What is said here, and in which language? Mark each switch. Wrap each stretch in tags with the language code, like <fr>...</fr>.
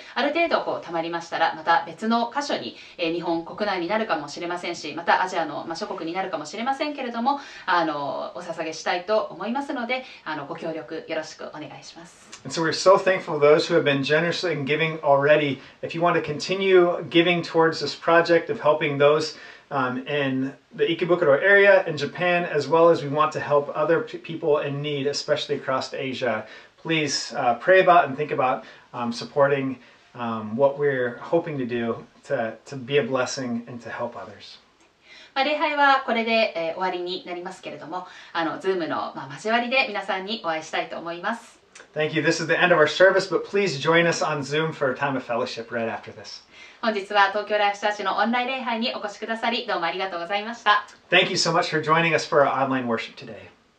<ja>ある程度こう貯まりましたらまた別の箇所に、日本国内になるかもしれませんし、またアジアの、まあ、諸国になるかもしれませんけれども、お捧げしたいと思いますので、ご協力よろしくお願いします。</ja> <en>And so we're so thankful for those who have been generous in giving already. If you want to continue giving towards this project of helping those in the Ikebukuro area in Japan, as well as we want to help other people in need, especially across Asia, please pray about and think about supporting what we're hoping to do to be a blessing and to help others.</en> <ja>まあ、礼拝はこれで、終わりになりますけれども、Zoom の、まあ、交わりで皆さんにお会いしたいと思います。</ja> <en>Thank you. This is the end of our service, but please join us on Zoom for a time of fellowship right after this.</en> <ja>本日は東京ライフチャーチのオンライン礼拝にお越しくださり、どうもありがとうございました。</ja> <en>Thank you so much for joining us for our online worship today.</en>